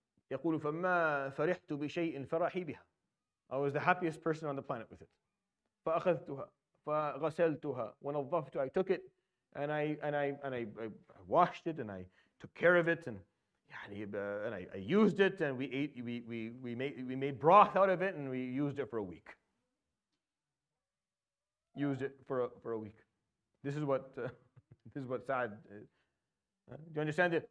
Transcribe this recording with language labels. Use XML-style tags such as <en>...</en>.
<ar>يقول فما فرحت بشيء فرحي بها.</ar> <en>I was the happiest person on the planet with it.</en> <ar>فأخذتها فغسلتها ونظفتها.</ar> <en>I took it and I washed it and I took care of it and I used it and we made broth out of it and we used it for a week. Used it for a week. This is what Sa'd. Do you understand it?</en>